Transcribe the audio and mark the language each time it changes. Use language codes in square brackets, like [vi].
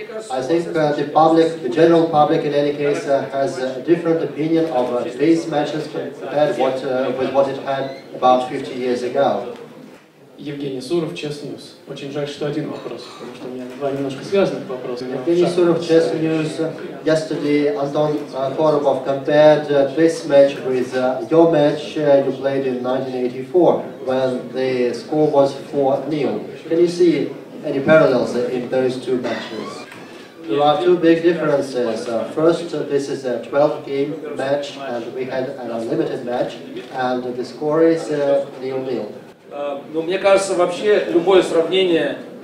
[en] I think the public, the general public in any case, has a different opinion of these matches compared with what it had about 50 years ago. [ru] Евгений Суров, Chess News. Очень жаль, что один вопрос, потому что у меня два немножко связанных вопроса. Евгений Суров, Chess News. [en] Yesterday, Anton Khorubov compared this match with your match you played in 1984, when the score was 4-0. Can you see any parallels in those two matches? There are two big differences. First, this is a 12-game match, and we had an unlimited match, and the score is 0-0. [ru] Ну, мне кажется, вообще любое сравнение